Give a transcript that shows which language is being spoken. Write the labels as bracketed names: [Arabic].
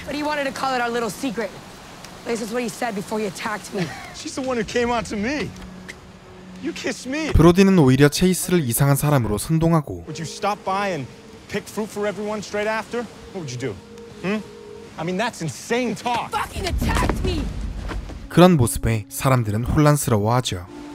[English] But he wanted to call it our little secret. This is what he said before he attacked me. She's the one who came out to me. You kissed me. [Korean] 브로디는 오히려 체이스를 이상한 사람으로 선동하고. [English] Would you stop by and pick fruit for everyone straight after? What would you do? Hmm? I mean, that's insane talk. Fucking attacked me. [Korean] 그런 모습에 사람들은 혼란스러워하죠.